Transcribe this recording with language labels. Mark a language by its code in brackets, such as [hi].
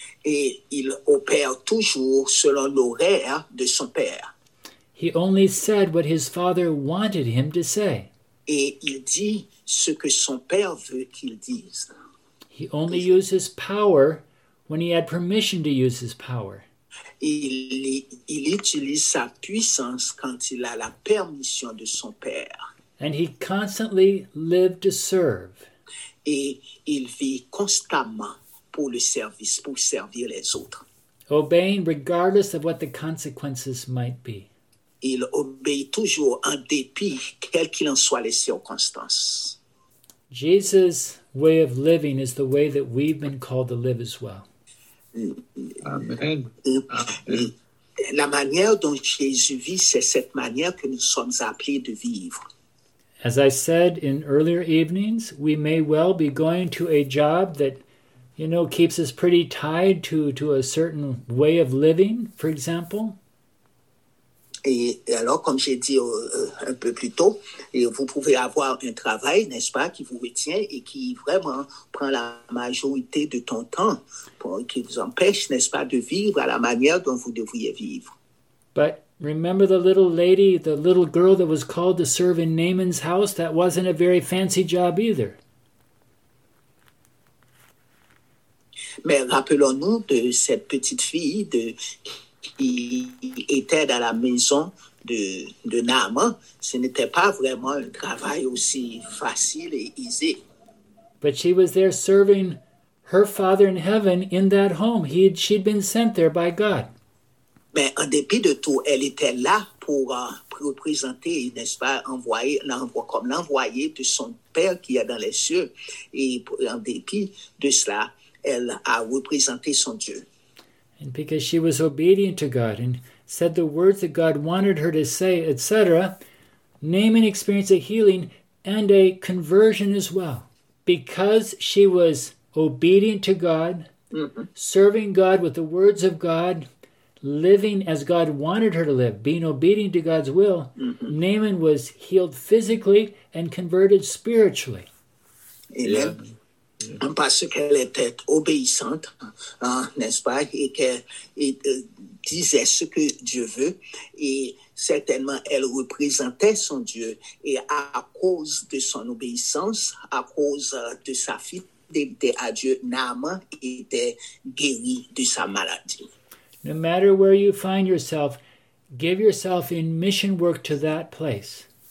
[fr] Et il opère toujours selon l'horaire de son père. [en] He only said what his father wanted him to say. [fr] Et il dit ce que son père veut qu'il dise. [en] He only used his power when he had permission to use his power. [fr] Il utilise sa puissance quand il a la permission de son père. [en] And he constantly lived to serve. [fr] Et il vit constamment. Pour le service, pour servir les autres. [en] Obeying regardless of what the consequences might be. [fr] Il obéit toujours en dépit, quelles qu'il en soient les circonstances. [en] Jesus' way of living is the way that we've been called to live as well. Amen. [fr] La manière dont Jésus vit, c'est cette manière que nous sommes appelés de vivre. [en] As I said in earlier evenings, we may well be going to a job that keeps us pretty tied to a certain way of living, for example. [fr] Et alors, comme j'ai dit un peu plus tôt, vous pouvez avoir un travail, n'est-ce pas, qui vous retient et qui vraiment prend la majorité de ton temps, qui vous empêche, n'est-ce pas, de vivre à la manière dont vous devriez vivre. [en] But remember the little lady, the little girl that was called to serve in Naaman's house? That wasn't a very fancy job either. [fr] Mais rappelons-nous de cette petite fille qui était dans la maison de Naaman. Ce n'était pas vraiment un travail aussi facile et aisé. [en] But she was there serving her father in heaven in that home. She'd been sent there by God. [fr] Mais en dépit de tout, elle était là pour représenter, n'est-ce pas, comme l'envoyé de son père qui est dans les cieux. Et en dépit de cela, elle a représenté son Dieu. [en] And because she was obedient to God and said the words that God wanted her to say, etc., Naaman experienced a healing and a conversion as well. Because she was obedient to God, serving God with the words of God, living as God wanted her to live, being obedient to God's will, Naaman was healed physically and converted spiritually. Amen. [fr] Parce qu'elle était obéissante, hein, n'est-ce pas, et qu'elle disait ce que Dieu veut, et certainement elle représentait son Dieu, et à cause de son obéissance, à cause de sa fidélité à Dieu, Naaman était guéri de sa maladie. [en] No matter where you find yourself, give yourself in mission work to that place.